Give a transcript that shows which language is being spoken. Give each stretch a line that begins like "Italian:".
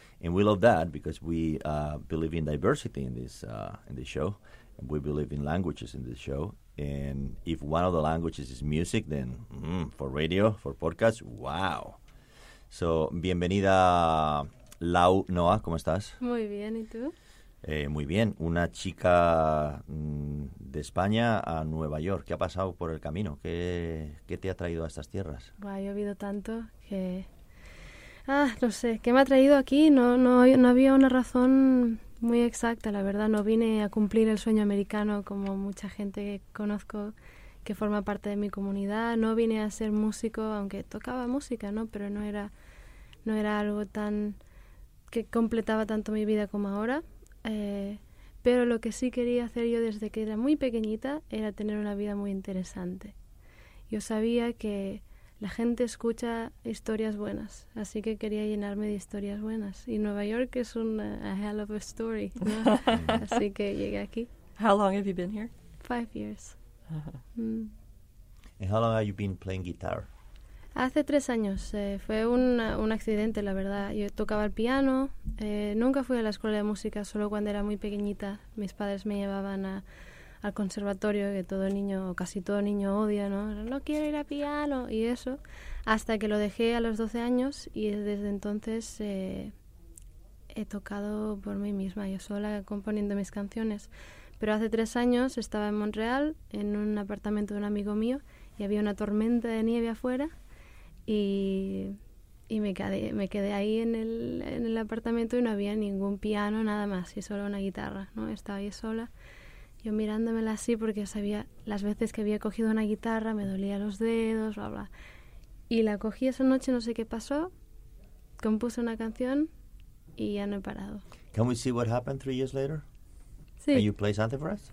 English: And we love that because we believe in diversity in this show. And we believe in languages in this show. And if one of the languages is music, then for radio, for podcasts, wow.
Spanish: So, bienvenida, Lau Noah, ¿cómo estás? Muy bien, ¿y tú? Muy bien. Una chica de España a Nueva York. ¿Qué ha pasado por el camino? ¿Qué te ha traído a estas tierras? Wow, ha llovido tanto que... no sé, ¿qué me ha traído aquí? No había una razón muy exacta, la verdad. No vine a cumplir el sueño americano como mucha gente que conozco que forma parte de mi comunidad. No vine a ser músico, aunque tocaba música, ¿no? Pero no era algo tan que completaba tanto mi vida como ahora. Pero lo que sí quería hacer yo desde que era muy pequeñita era tener una vida muy interesante. Yo sabía que la gente escucha historias buenas, así que quería llenarme de historias buenas. Y Nueva York es
English: a hell of a story,
Spanish: ¿no? Así que llegué aquí.
English: How long have you been here? 5 years. And how long have you been playing guitar?
Spanish: Hace 3 años. Fue un accidente, la verdad. Yo tocaba el piano. Nunca fui a la escuela de música, solo cuando era muy pequeñita. Mis padres me llevaban al conservatorio, que todo niño, o casi todo niño odia, ¿no? No quiero ir a piano, y eso. Hasta que lo dejé a los 12 años, y desde entonces he tocado por mí misma, yo sola, componiendo mis canciones. Pero hace 3 años estaba en Montreal, en un apartamento de un amigo mío, y había una tormenta de nieve afuera, y me quedé ahí en el apartamento y no había ningún piano, nada más, y solo una guitarra, ¿no? Estaba ahí sola. Yo mirándomela así porque sabía las veces que había cogido una guitarra, me dolía los dedos, bla, bla. Y la cogí esa noche, no sé qué pasó, compuse una canción y ya no he parado.
English: Can we see what happened 3 years later?
Spanish: Sí.
English: Can you play something for us?